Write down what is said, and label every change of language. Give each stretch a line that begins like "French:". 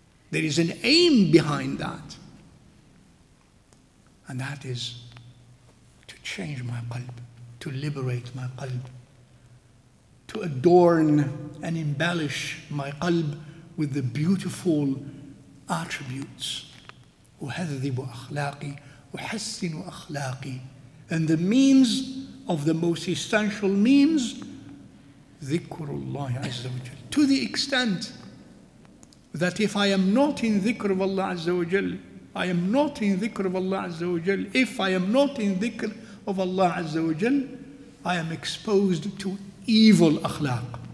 English: There is an aim behind that. And that is to change my qalb, to liberate my qalb, to adorn and embellish my qalb with the beautiful attributes.
Arabic: أُهَذِّبُ أَخْلَاقِي وَحَسِّنُ أَخْلَاقِي.
English: And the means of the most essential means,
Arabic: ذِكْرُ اللَّهِ عَزَّ وَجَلْ.
English: To the extent that if I am not in dhikr of Allah Azza wa Jal, I am not in dhikr of Allah Azza wa Jal, if I am not in dhikr of Allah Azza wa Jal, I am exposed to evil akhlaq.